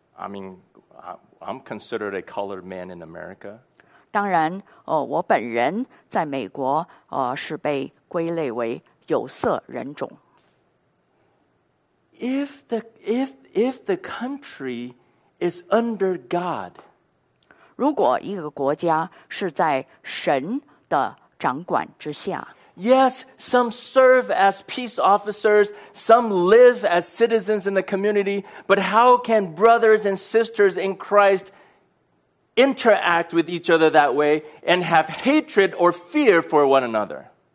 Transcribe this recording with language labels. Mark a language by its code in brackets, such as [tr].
[en] I mean, I'm considered a colored man in America. [zh] 当然，我本人在美国是被归类为有色人种。 [en] If the country is under God, [zh] 如果一个国家是在神的掌管之下。 [en] Yes, some serve as peace officers, some live as citizens in the community, but how can brothers and sisters in Christ interact with each other that way and have hatred or fear for one another?